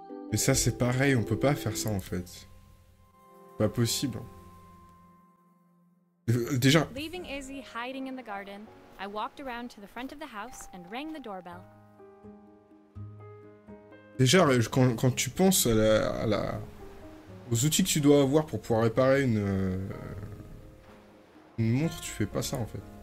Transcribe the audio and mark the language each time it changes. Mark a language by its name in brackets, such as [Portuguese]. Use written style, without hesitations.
[French] Mais ça, c'est pareil, on peut pas faire ça en fait. Pas possible. Déjà. [English] Leaving Izzy hiding in the garden, I walked around to the front of the house and rang the doorbell. [French] Déjà, quand tu penses aux outils que tu dois avoir pour pouvoir réparer une montre, tu fais pas ça en fait.